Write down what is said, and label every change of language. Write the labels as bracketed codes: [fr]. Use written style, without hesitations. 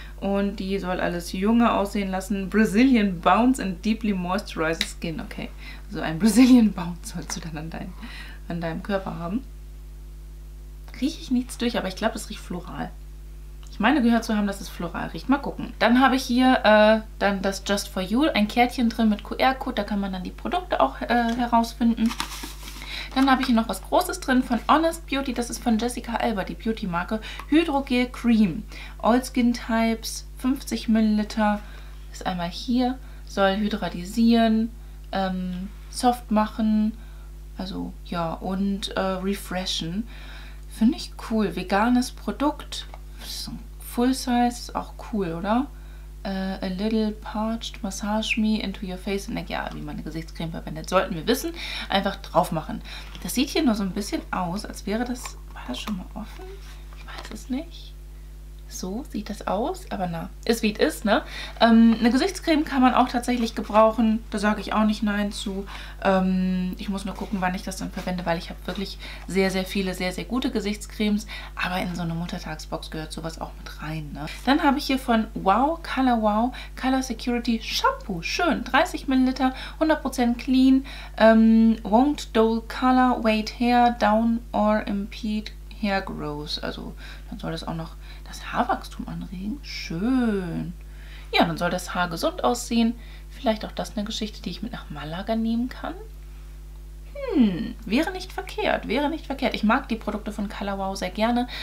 [de] Und die soll alles jünger aussehen lassen. [en] Brazilian Bounce and Deeply Moisturized Skin. [de] Okay, so ein Brazilian Bounce sollst du dann an deinem Körper haben. Rieche ich nichts durch, aber ich glaube, es riecht floral. Ich meine gehört zu haben, dass es floral riecht. Mal gucken. Dann habe ich hier dann das Just for You, ein Kärtchen drin mit QR-Code. Da kann man dann die Produkte auch herausfinden. Dann habe ich hier noch was Großes drin von Honest Beauty. Das ist von Jessica Alba, die Beauty-Marke. [en] Hydrogel Cream. All Skin Types, 50 Milliliter. Ist einmal hier. [de] Soll hydratisieren, soft machen. Also ja, und refreshen. Finde ich cool. Veganes Produkt. Full Size ist auch cool, oder? [en] A little parched massage me into your face. [de] Und denke, ja, wie man eine Gesichtscreme verwendet, sollten wir wissen. Einfach drauf machen. Das sieht hier nur so ein bisschen aus, als wäre das... War das schon mal offen? Ich weiß es nicht. So sieht das aus. Aber na, ist wie es ist, ne? Eine Gesichtscreme kann man auch tatsächlich gebrauchen. Da sage ich auch nicht nein zu. Ich muss nur gucken, wann ich das dann verwende, weil ich habe wirklich sehr, sehr viele, sehr, sehr gute Gesichtscremes. Aber in so eine Muttertagsbox gehört sowas auch mit rein, ne? Dann habe ich hier von Wow Color Wow Color Security Shampoo. Schön. 30 ml, 100% clean. [en] Won't dull color, weight hair, down or impede hair growth. [de] Also dann soll das auch noch das Haarwachstum anregen. Schön. Ja, dann soll das Haar gesund aussehen. Vielleicht auch das eine Geschichte, die ich mit nach Malaga nehmen kann. Wäre nicht verkehrt. Wäre nicht verkehrt. Ich mag die Produkte von Color Wow sehr gerne.